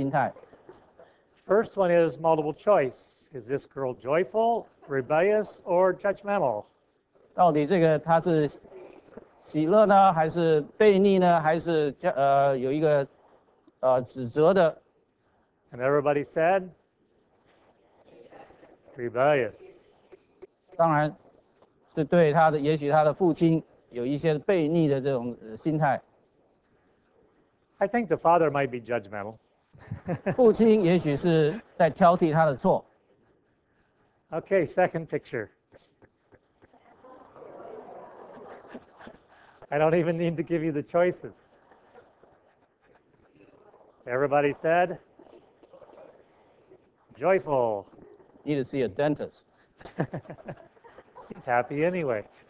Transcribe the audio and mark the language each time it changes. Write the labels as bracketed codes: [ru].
[zh] 我会投射一个影片，一张像，让你们来看到底这个像里面是指出什么样的心态。 [en] First one is multiple choice. Is this girl joyful, rebellious, or judgmental? [zh] 到底这个她是 喜乐呢，还是悖逆呢，还是有一个指责的？ [en] And everybody said rebellious. [zh] 当然是对他的，也许他的父亲有一些悖逆的这种心态。 [en] I think the father might be judgmental. [zh] 父亲也许是在挑剔他的错。 [en] Okay, second picture. I don't even need to give you the choices. Everybody said joyful. Need to see a dentist. She's happy anyway.